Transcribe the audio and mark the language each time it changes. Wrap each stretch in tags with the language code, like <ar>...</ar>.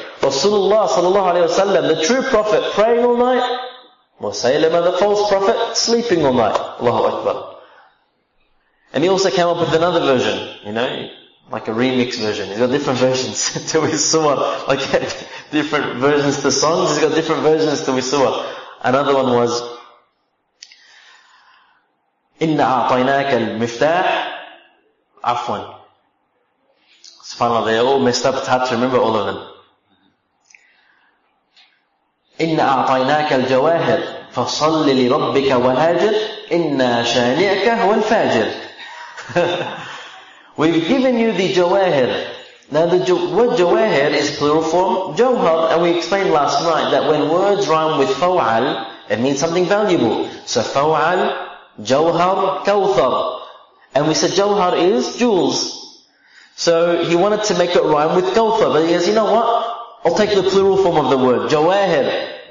<en>Rasulullah sallallahu alayhi wasallam, the true prophet, praying all night. Musaylima, the false prophet, sleeping all night. Allahu Akbar. And he also came up with another version, like a remix version. He's got different versions to his surah. Like different versions to songs, he's got different versions to his surah. Another one was,</en> <ar>إِنَّ أَعْطَيْنَاكَ الْمِفْتَاحِ عَفْوًا.</ar> <en>SubhanAllah, they all messed up, it's hard to remember all of them.</en> <ar>إِنَّ أَعْطَيْنَاكَ الْجَوَاهِرِ فَصَلِّ لِرَبِّكَ وَهَاجِرِ إِنَّ شَانِئَكَ وَالْفَاجِرِ</ar> <en>We've given you the jawahir. Now the word jawahir is plural form jawhar, and we explained last night that when words rhyme with fawal, it means something valuable. So fawal, jawhar, kawthar. And we said jawhar is jewels. So he wanted to make it rhyme with kawthar, but he says, you know what? I'll take the plural form of the word, jawahir.</en>